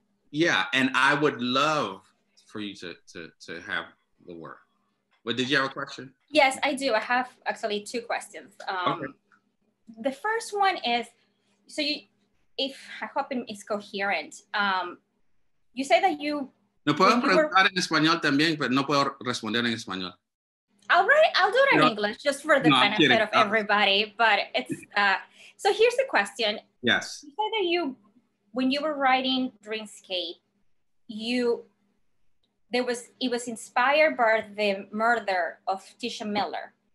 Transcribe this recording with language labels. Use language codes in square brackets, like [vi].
[en] Yeah, and I would love for you to have the work. But did you have a question? Yes, I do. I have actually two questions. The first one is, I hope it's coherent. You say that you... [es] No puedo preguntar en español también, pero no puedo responder en español. [en] I'll do it in English, just for the benefit of everybody. But it's so here's the question. Yes. You said that when you were writing Dreamscape, it was inspired by the murder of Tisha Miller.